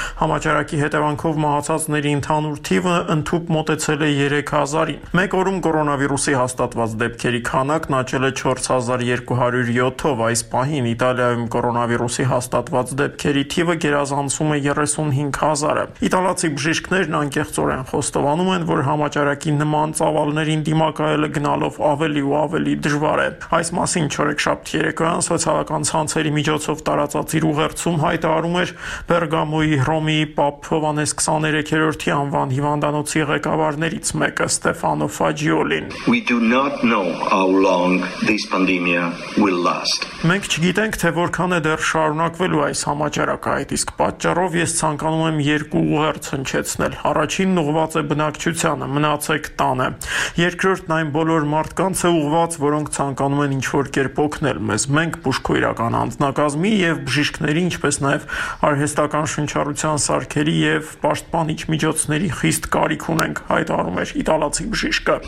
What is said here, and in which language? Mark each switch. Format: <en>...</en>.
<hy>համաճարակի հետևանքով մահացածների ընդհանուր թիվը ընդհուպ մոտեցել է 3000-ին։ Մեկ օրում կորոնավիրուսի հաստատված դեպքերի քանակն աճել է 4207-ով։ Այս պահին Իտալիայում կորոնավիրուսի հաստատված դեպքերի թիվը գերազանցում է 35,000-ը։ Իտալացի բժիշկներն անկեղծորեն խոստովանում են, որ համաճարակի նման ծավալներին դիմակայելը գնալով ավելի ու ավելի դժվար է։ Այս մասին չորեքշաբթի երեկոյան սոցիալական ցանցերի միջոցով տարածած իր ուղերձում հայտարարում էր Բերգամոյի Հռոմիի Պապ Հովանես 23-րդի անվան հիվանդանոցի ղեկավարներից մեկը Ստեֆանո Ֆաջիոլին։</hy> <en>We do not know how long this pandemia will last.</en> <hy>Չգիտենք, թե որքան է դեռ շարունակվելու այս համաճարակը, այդ իսկ պատճառով ես ցանկանում եմ երկու ուղերձ հնչեցնել։ Առաջինն ուղված է բնակչությանը, մնացեք տանը։ Երկրորդն այն բոլոր մարդկանց է ուղված, որոնք ցանկանում են ինչ-որ կերպ օգնել մեզ։ Մենք բուժքույրական անձնակազմի և բժիշկների, ինչպես նաև արհեստական շնչառության սարքերի և պաշտպանիչ միջոցների խիստ կարիք ունենք, հայտարարում է իտալացի բժիշկը։</hy>